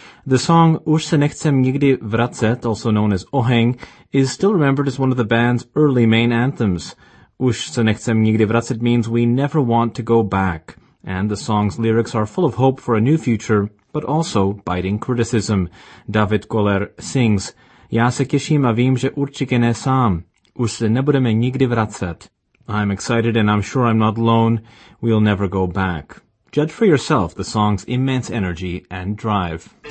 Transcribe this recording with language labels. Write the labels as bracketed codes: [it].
[en] The song Už se nechcem nikdy vracet, also known as Oheň, is still remembered as one of the band's early main anthems. Už se nechcem nikdy vracet means we never want to go back. And the song's lyrics are full of hope for a new future, but also biting criticism. David Koller sings, [cs] Já se těším a vím, že určitě ne sám. Už se nebudeme nikdy vracet. [en] I'm excited and I'm sure I'm not alone. We'll never go back. Judge for yourself the song's immense energy and drive.